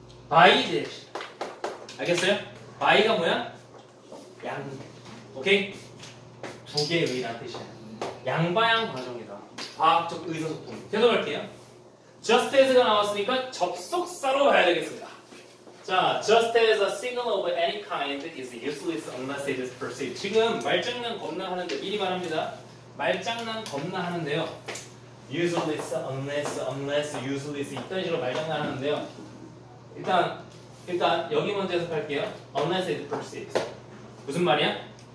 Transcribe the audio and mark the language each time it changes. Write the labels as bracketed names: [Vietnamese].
[Korean] bi-directional. 알겠어요? bi가 뭐야? 양. 오케이? 두 개의라는 뜻이야. 양방향 과정이다. 과학적 의사소통. 계속할게요. just as가 나왔으니까 접속사로 봐야 되겠습니다. [English] 자, just as a signal of any kind is useless unless it is perceived. [Korean] 지금 말장난 겁나 하는데 미리 말합니다. 말장난 겁나 하는데요. [English] useless unless useless [Korean] 이딴 식으로 말장난 하는데요. 일단 여기 먼저 해석할게요. [English] unless it is perceived. [Korean] 무슨 말이야?